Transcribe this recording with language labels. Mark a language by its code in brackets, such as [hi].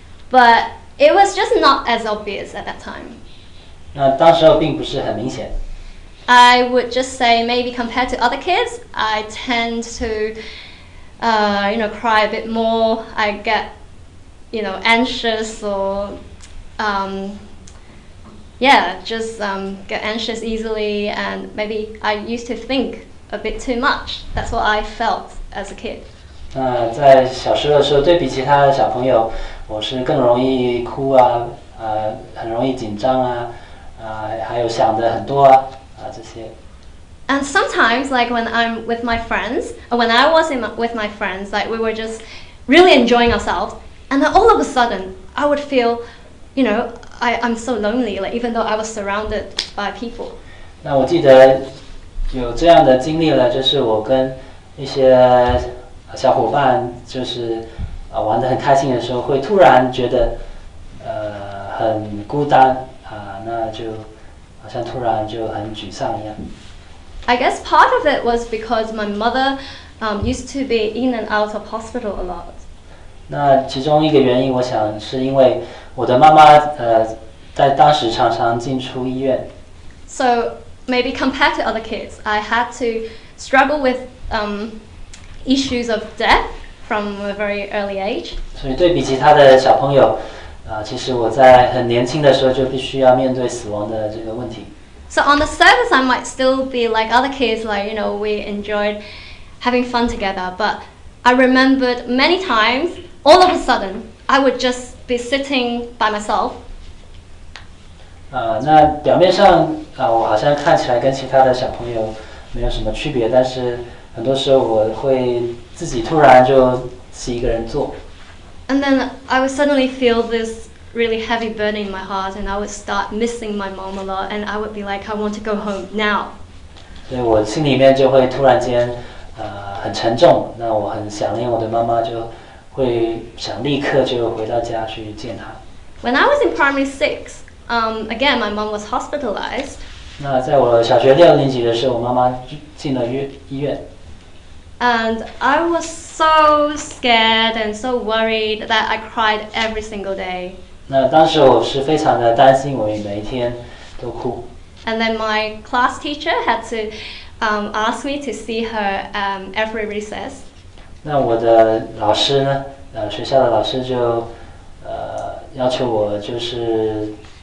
[en] But it was just not as obvious at that time. [zh] 那当时候并不是很明显。 [en] I would just say maybe compared to other kids, I tend to you know, cry a bit more. I get, you know, anxious or get anxious easily, and maybe I used to think a bit too much. That's what I felt as a kid. [zh] 在小时候的时候，对比其他的小朋友，我是更容易哭啊，很容易紧张啊，还有想的很多啊，这些。 [en] And sometimes, like when I'm with my friends, or when I was with my friends, like we were just really enjoying ourselves, and then all of a sudden, I would feel, you know, I'm so lonely, like even though I was surrounded by people. [zh] 那我记得有这样的经历了，就是我跟一些小伙伴就是玩得很开心的时候，会突然觉得很孤单啊，那就好像突然就很沮丧一样。 [en] I guess part of it was because my mother used to be in and out of hospital a lot. [zh] 那其中一个原因，我想是因为我的妈妈在当时常常进出医院。 [en] So maybe compared to other kids, I had to struggle with issues of death from a very early age. [zh] 所以对比其他的小朋友，其实我在很年轻的时候就必须要面对死亡的这个问题。 [en] So on the surface, I might still be like other kids, like, you know, we enjoyed having fun together. But I remembered many times, all of a sudden, I would just be sitting by myself. [zh] 那表面上我好像看起来跟其他的小朋友没有什么区别，但是很多时候我会自己突然就一个人坐。 [en] And then I would suddenly feel this really heavy burning in my heart, and I would start missing my mom a lot, and I would be like, I want to go home now. [zh] 所以我心里面就会突然间很沉重，那我很想念我的妈妈，就会想立刻就回到家去见她。 [en] When I was in primary six, again, my mom was hospitalized. [zh] 那在我小学六年级的时候，我妈妈进了医院。 [en] And I was so scared and so worried that I cried every single day. [zh] 那当时我是非常的担心，我每一天都哭。 [en] And then my class teacher had to ask me to see her every recess. [zh] 那我的老师呢？学校的老师就要求我就是